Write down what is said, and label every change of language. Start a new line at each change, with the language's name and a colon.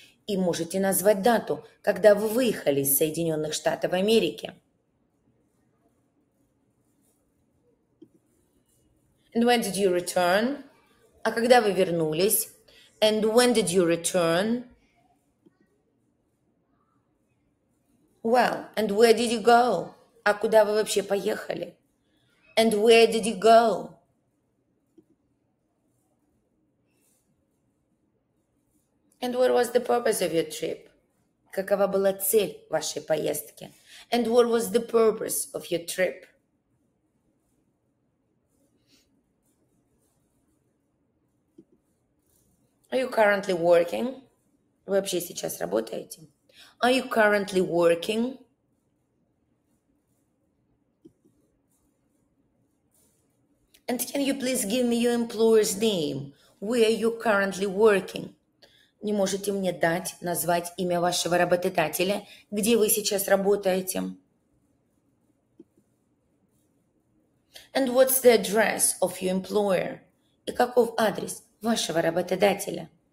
Russian: И можете назвать дату, когда вы выехали из Соединенных Штатов Америки?
English: And when did you return?
Russian: А когда вы вернулись?
English: And when did you return? Well, and where did you go?
Russian: А куда вы вообще поехали?
English: And where did you go? And what was the purpose of your trip?
Russian: Какова была цель вашей поездки?
English: And what was the purpose of your trip? Are you currently working?
Russian: Вы вообще сейчас работаете?
English: Are you currently working? And can you please give me your employer's name? Where are you currently working?
Russian: Не можете мне дать, назвать имя вашего работодателя, где вы сейчас работаете?
English: And what's the address of your employer?
Russian: И каков адрес вашего работодателя?